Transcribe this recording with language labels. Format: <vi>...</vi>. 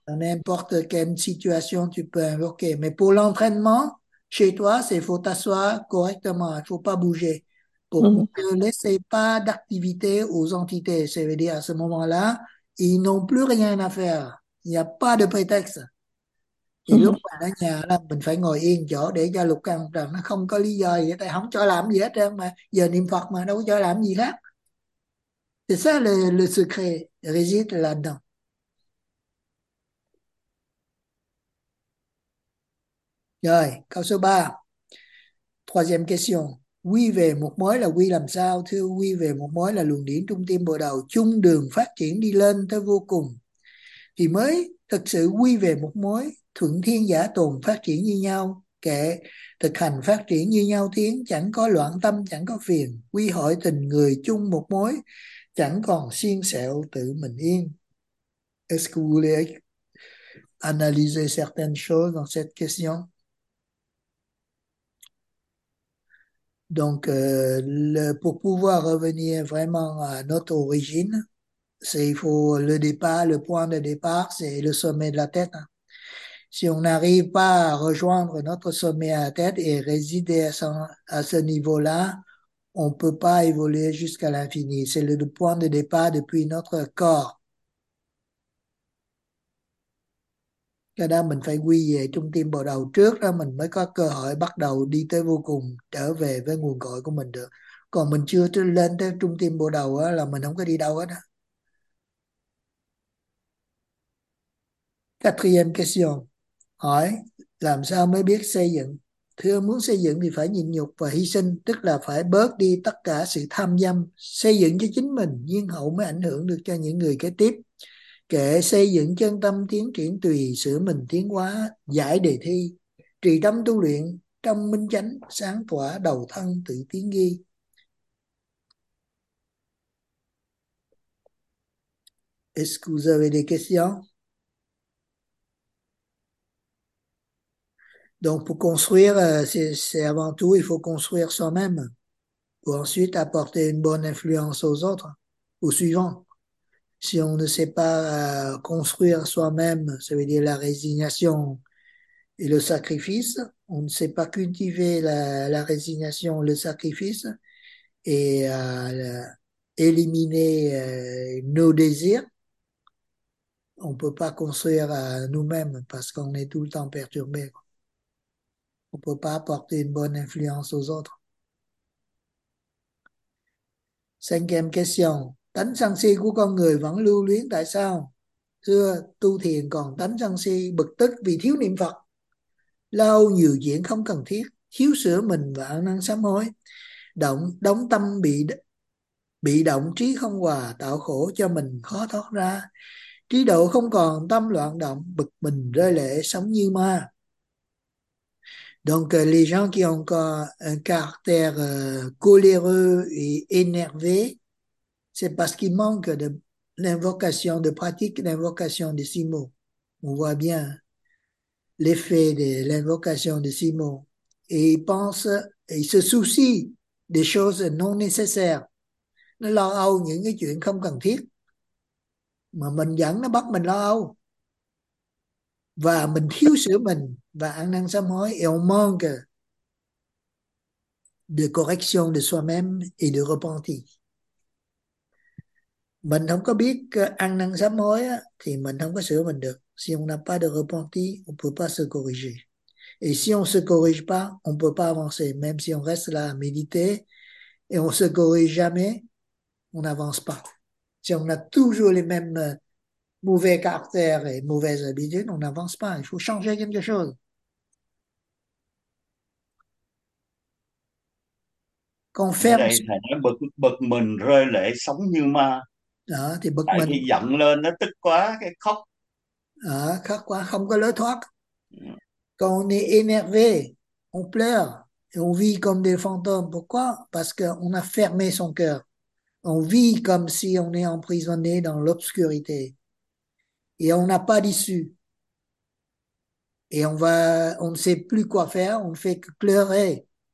<fr>Dans n'importe quelle situation, tu peux invoquer. Mais pour l'entraînement, chez toi, il faut t'asseoir correctement. Il ne faut pas bouger. Pour ne laisser pas d'activité aux entités. C'est-à-dire, à ce moment-là, ils n'ont plus rien à faire. Il n'y a pas de prétexte.</fr> <vi>Thì lúc mà ở nhà là mình phải ngồi yên chỗ để cho lục căn rằng nó không có lý do gì, tại không cho làm gì hết trơn mà. Giờ niệm Phật mà đâu có cho làm gì hết.</vi> <fr>C'est ça le secret réside là-dedans.</fr> <vi>Rồi, câu số 3. Troisième question. Quy về một mối là quy làm sao? Thưa quy về một mối là luồng điển trung tâm bồ đầu, chung đường phát triển đi lên tới vô cùng. Thì mới thực sự quy về một mối, thuận thiên giả tồn phát triển như nhau, kệ thực hành phát triển như nhau tiến, chẳng có loạn tâm, chẳng có phiền, quy hội tình người chung một mối, chẳng còn xiên xẹo tự mình yên.</vi> <fr>Est-ce que vous voulez analyser certaines choses dans cette question? Donc, pour pouvoir revenir vraiment à notre origine, il faut le départ, le point de départ, c'est le sommet de la tête. Si on n'arrive pas à rejoindre notre sommet à la tête et résider à ce niveau-là, on ne peut pas évoluer jusqu'à l'infini. C'est le point de départ depuis notre corps.</fr> <vi>Cho nên mình phải quy về trung tâm bồ đầu trước đó, mình mới có cơ hội bắt đầu đi tới vô cùng, trở về với nguồn cội của mình được. Còn mình chưa lên tới trung tâm bồ đầu đó, là mình không có đi đâu hết đó. Quatrième question. Hỏi làm sao mới biết xây dựng? Thưa, muốn xây dựng thì phải nhịn nhục và hy sinh, tức là phải bớt đi tất cả sự tham dâm, xây dựng cho chính mình, nhưng hậu mới ảnh hưởng được cho những người kế tiếp. Kệ xây dựng chân tâm tiến triển, tùy sửa mình tiến hóa, giải đề thi, trì tâm tu luyện, trong minh chánh, sáng tỏa đầu thân tự tiến ghi.</vi> <fr>Est-ce que vous avez des questions? Donc, pour construire, c'est avant tout, il faut construire soi-même pour ensuite apporter une bonne influence aux autres, aux suivants. Si on ne sait pas construire soi-même, ça veut dire la résignation et le sacrifice, on ne sait pas cultiver la résignation, le sacrifice et éliminer nos désirs, on ne peut pas construire nous-mêmes parce qu'on est tout le temps perturbé. On ne peut pas apporter une bonne influence aux autres. Cinquième question.</fr> <vi>Tánh sân si của con người vẫn lưu luyến tại sao? Xưa tu thiền còn tánh sân si, bực tức vì thiếu niệm Phật. Lau nhiều diễn không cần thiết, chiếu sửa mình và ăn năn sám hối. Đóng tâm bị động trí không hòa, tạo khổ cho mình khó thoát ra. Trí độ không còn tâm loạn động, bực mình rơi lệ sống như ma.</vi> <fr>Donc, les gens qui ont encore un caractère coléreux et énervé, c'est parce qu'ils manquent de l'invocation, de pratique d'invocation des six mots. On voit bien l'effet de l'invocation des six mots. Et ils pensent, et ils se soucient des choses non nécessaires.</fr> <vi>Nó lo âu những cái chuyện không cần thiết. Mà mình dẫn nó bắt mình lo âu. Và mình thiếu sửa mình và ăn năn sám hối, et on manque de correction de soi-même et de repentir. Mình không có biết ăn năn sám hối á, thì mình không có sửa mình được.</vi> <fr>Si on n'a pas de repentir, on peut pas se corriger. Et si on se corrige pas, on peut pas avancer. Même si on reste là à méditer et on se corrige jamais, on n'avance pas. Si on a toujours les mêmes mauvais caractère et mauvaises habitudes, on n'avance pas. Il faut changer quelque chose. Qu'on</fr> <vi>Ở</vi> <fr>ferme.</fr> <vi>đây thầy nói bực bực mình rơi lệ sống như ma, Đó, thì bực tại mình. khi giận lên nó tức quá cái khóc. À, khóc quá không có lối thoát.</vi> <fr>Quand on est énervé, on pleure et on vit comme des fantômes. Pourquoi? Parce qu'on a fermé son cœur. On vit comme si on est emprisonné dans l'obscurité et on n'a pas d'issue. Et on ne sait plus quoi faire, on ne fait que pleurer.</fr>